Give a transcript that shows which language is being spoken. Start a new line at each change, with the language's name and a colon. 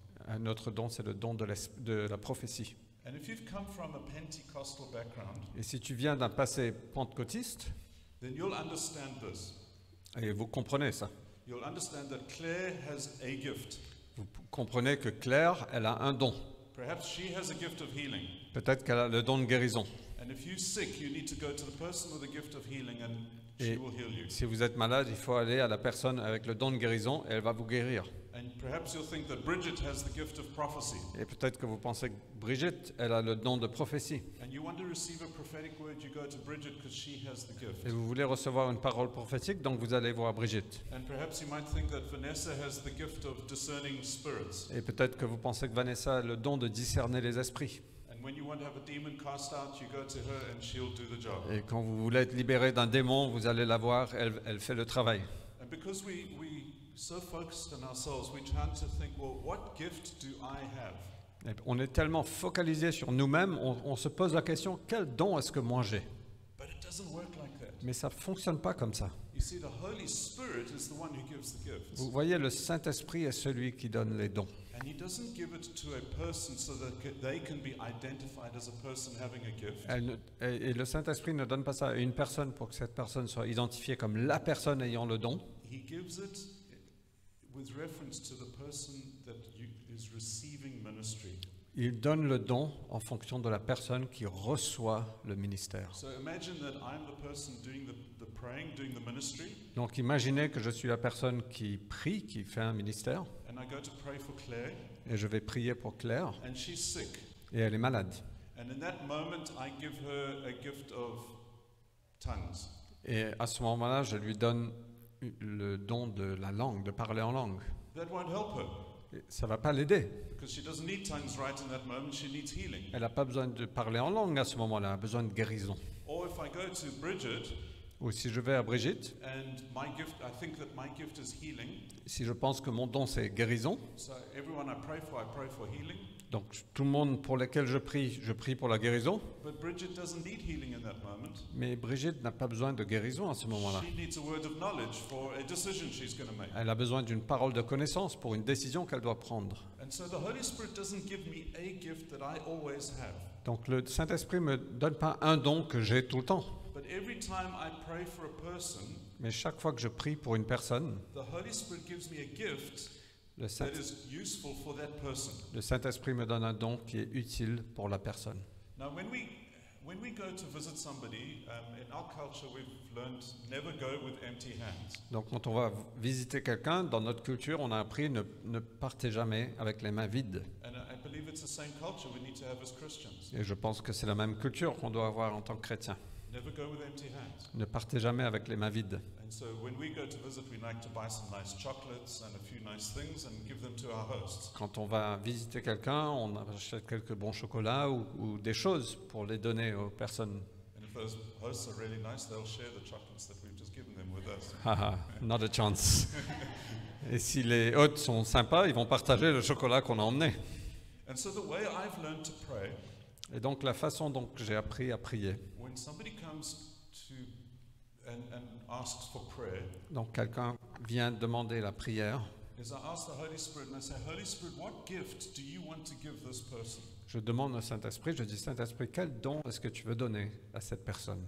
French: Un autre don, c'est le don de la prophétie.
English: And if you've come from a Pentecostal background,
French: et si tu viens d'un passé pentecôtiste,
English: then you'll understand this.
French: Et vous comprenez ça.
English: You'll understand that Claire has a gift.
French: Vous comprenez que Claire, elle a un don.
English: Perhaps she has a gift of healing.
French: Peut-être qu'elle a le don de guérison.
English: And if you're sick, you need to go to the person with the gift of healing and
French: et
English: she will heal you.
French: Si vous êtes malade, il faut aller à la personne avec le don de guérison et elle va vous guérir.
English: And perhaps you'll think that Bridget has the gift of prophecy.
French: Et peut-être que vous pensez que Bridget, elle a le don de prophétie.
English: And you want to receive a prophetic word, you go to Bridget because she has the gift.
French: Et vous voulez recevoir une parole prophétique, donc vous allez voir Bridget.
English: And perhaps you might think that Vanessa has the gift of discerning spirits.
French: Et peut-être que vous pensez que Vanessa a le don de discerner les esprits.
English: When you want to have a demon cast out, you go to her and she'll do the job.
French: Et quand vous voulez être libéré d'un démon, vous allez la voir, elle fait le travail.
English: And because we so focused on ourselves, we tend to think, well, what gift do I have?
French: Et on est tellement focalisé sur nous-mêmes, on se pose la question, quel don est-ce que moi j'ai?
English: But it doesn't work like that.
French: Mais ça fonctionne pas comme ça.
English: You see, the Holy Spirit is the one who gives the gifts.
French: Vous voyez, le Saint-Esprit est celui qui donne les dons.
English: And he doesn't give it to a person so that they can be identified as a person having a gift.
French: Et le Saint-Esprit ne donne pas ça à une personne pour que cette personne soit identifiée comme la personne ayant le don.
English: He gives it with reference to the person that is receiving ministry.
French: Il donne le don en fonction de la personne qui reçoit le ministère.
English: So imagine that I'm the person doing the praying, doing the ministry.
French: Donc imaginez que je suis la personne qui prie, qui fait un ministère.
English: And I go to pray for Claire.
French: Et je vais prier pour Claire.
English: And she's sick.
French: Et elle est malade.
English: And in that moment, I give her a gift of tongues.
French: Et à ce moment-là, je lui donne le don de la langue, de parler en langue.
English: That won't help her.
French: Ça va pas l'aider.
English: Because she doesn't need tongues right in that moment, she needs healing.
French: Elle a pas besoin de parler en langue à ce moment-là, elle a besoin de guérison.
English: Or if I go to Bridget,
French: Ou si je vais à Brigitte,
English: and my gift, I think that my gift is healing.
French: Si je pense que mon don c'est guérison,
English: so everyone I pray for healing.
French: Donc tout le monde pour lequel je prie pour la guérison,
English: but Brigitte doesn't need healing in that moment.
French: Mais Brigitte n'a pas besoin de guérison à ce moment-là.
English: She needs a word of knowledge for a decision she's going to make.
French: Elle a besoin d'une parole de connaissance pour une décision qu'elle doit prendre.
English: And so the Holy Spirit doesn't give me a gift that I always have.
French: Donc le Saint-Esprit ne me donne pas un don que j'ai tout le temps.
English: But every time I pray for a person,
French: mais chaque fois que je prie pour une personne,
English: the Holy Spirit gives me a gift, le, that is useful for that person.
French: Le Saint-Esprit me donne un don qui est utile pour la personne.
English: Now when we go to visit somebody, in our culture we've learned never go with empty hands.
French: Donc quand on va visiter quelqu'un, dans notre culture, on a appris ne partez jamais avec les mains vides.
English: And I believe it's the same culture we need to have as Christians.
French: Et je pense que c'est la même culture qu'on doit avoir en tant que chrétien.
English: Never go with empty hands.
French: Ne partez jamais avec les mains vides.
English: And so when we go to visit, we like to buy some nice chocolates and a few nice things and give them to our hosts.
French: Quand on va visiter quelqu'un, on achète quelques bons chocolats ou des choses pour les donner aux personnes.
English: And if those hosts are really nice, they'll share the chocolates that we've just given them with us. Not a chance.
French: Et si les hôtes sont sympas, ils vont partager le chocolat qu'on a emmené.
English: And so the way I've learned to pray.
French: Et donc la façon dont j'ai appris à prier.
English: When somebody comes to and asks for prayer.
French: Donc quelqu'un vient demander la prière.
English: Is I ask the Holy Spirit and I say, Holy Spirit, what gift do you want to give this person?
French: Je demande au Saint-Esprit, je dis Saint-Esprit, quel don est-ce que tu veux donner à cette personne?